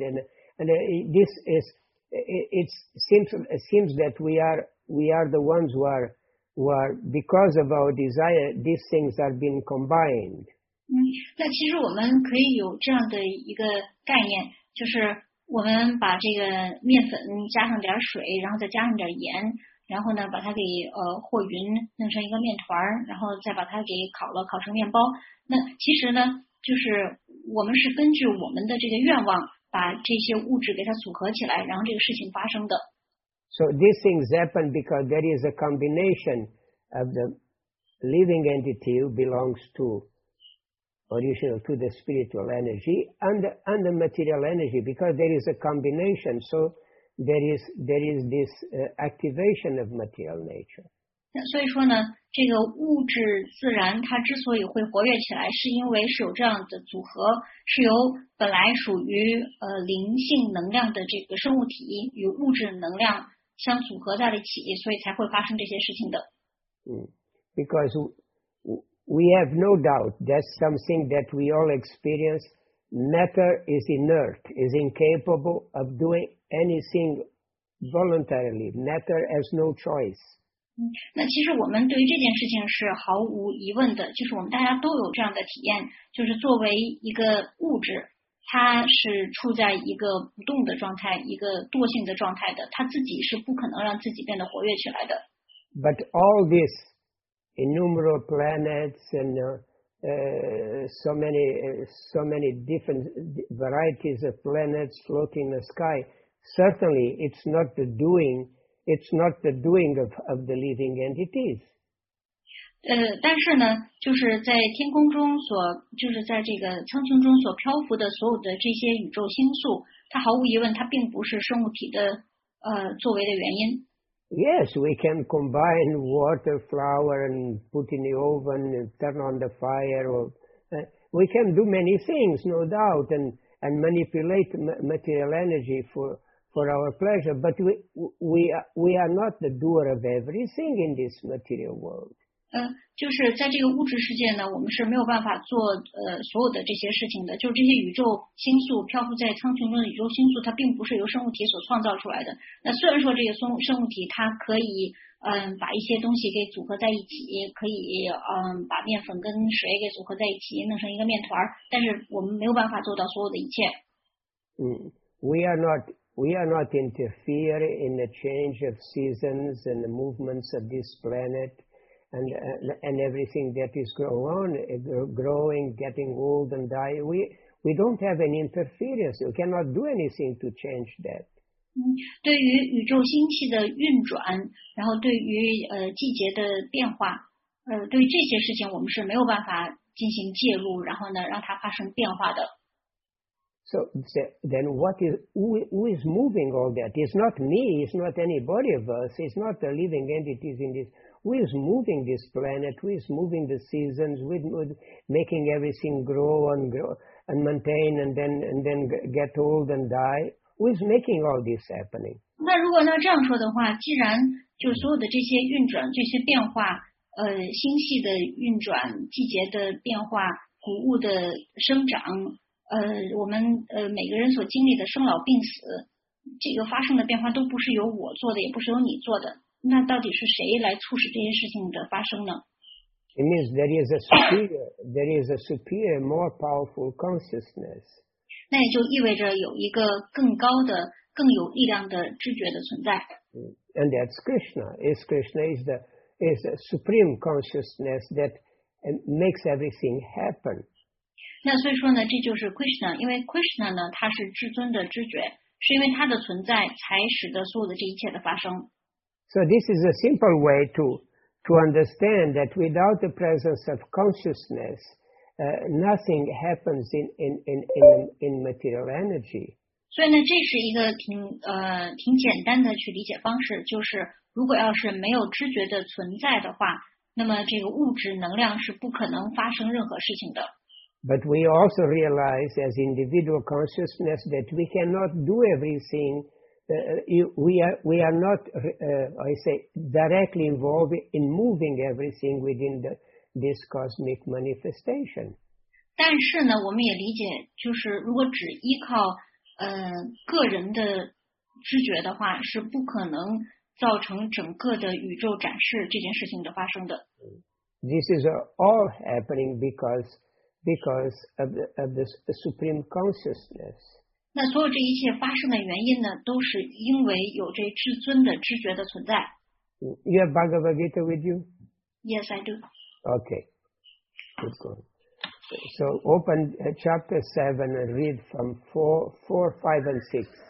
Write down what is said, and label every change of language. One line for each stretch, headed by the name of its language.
English: And this is it seems that we are the ones who are. Where because of our desire, these things are being combined.
Chinese: 那其实我们可以有这样的一个概念，就是我们把这个面粉加上点水，然后再加上点盐，然后呢把它给和匀，弄成一个面团，然后再把它给烤成面包。那其实呢，就是我们是根据我们的这个愿望，把这些物质给它组合起来，然后这个事情发生的。
English: So these things happen because there is a combination of the living entity who belongs to original to the spiritual energy and the material energy because there is a combination. So there is this activation of material nature.
Chinese: 所以说呢，这个物质自然它之所以会活跃起来，是因为是有这样的组合，是由本来属于灵性能量的这个生物体与物质能量。相组合在了一起，所以才会发生这些事情的。
English: Because we have no doubt that's something that we all experience. Matter is inert, is incapable of doing anything voluntarily. Matter has no choice.
Chinese: 那其实我们对于这件事情是毫无疑问的，就是我们大家都有这样的体验，就是作为一个物质。它是处在一个不动的状态，一个惰性的状态的，它自己是不可能让自己变得活跃起来的。
English: But all these innumerable planets and so many different varieties of planets floating in the sky, certainly it's not the doing of the living entities.
Chinese: 但是呢，就是在天空中所，就是在这个苍穹中所漂浮的所有的这些宇宙星宿，它毫无疑问，它并不是生物体的作为的原因。
English: Yes, we can combine water, flour, and put in the oven and turn on the fire. We can do many things, no doubt, and manipulate material energy for our pleasure. But we are not the doer of everything in this material world.
Chinese: 就是在这个物质世界呢，我们是没有办法做所有的这些事情的。就是这些宇宙星宿漂浮在苍穹中的宇宙星宿，它并不是由生物体所创造出来的。那虽然说这个生物体它可以把一些东西给组合在一起，可以把面粉跟水给组合在一起弄成一个面团，但是我们没有办法做到所有的一切。
English: 嗯、we are not interfere in the change of seasons and the movements of this planet. And everything that is growing, getting old and dying, we don't have any interference. We cannot do anything to change that.
Chinese: 对于宇宙星系的运转，然后对于季节的变化，对于这些事情，我们是没有办法进行介入，然后呢，让它发生变化的。
English: So then, who is moving all that? It's not me. It's not anybody of us. It's not the living entities in this. Who is moving this planet? Who is moving the seasons? Who is making everything grow and maintain and then get old and die? Who is making all this happening?
Chinese: 那如果那这样说的话，既然就所有的这些运转、这些变化，星系的运转、季节的变化、谷物的生长，我们每个人所经历的生老病死，这个发生的变化都不是由我做的，也不是由你做的。那到底是谁来促使这些事情的发生呢？
English: It means there is a superior, more powerful consciousness.
Chinese: 那也就意味着有一个更高的、更有力量的知觉的存在。
English: And that's Krishna. Krishna is the supreme consciousness that makes everything happen.
Chinese: 那所以说呢，这就是 Krishna， 因为 Krishna 呢，他是至尊的知觉，是因为他的存在才使得所有的这一切的发生。
English: So this is a simple way to understand that without the presence of consciousness, nothing happens in material energy.
Chinese: 所以呢，这是一个挺简单的去理解方式，就是如果要是没有知觉的存在的话，那么这个物质能量是不可能发生任何事情的。
English: But we also realize as individual consciousness that we cannot do everything. We are not directly involved in moving everything within this cosmic manifestation.
Chinese: 但是呢，我们也理解，就是如果只依靠个人的知觉的话，是不可能造成整个的宇宙展示这件事情的发生的。
English: This is all happening because of the supreme consciousness.
Chinese: 那所有这一切发生的原因呢，都是因为有这至尊的知觉的存在。
English: You have Bhagavad Gita with you? Yes, I do. Okay. Good, good. So open chapter 7 and read from 4, 5, and 6.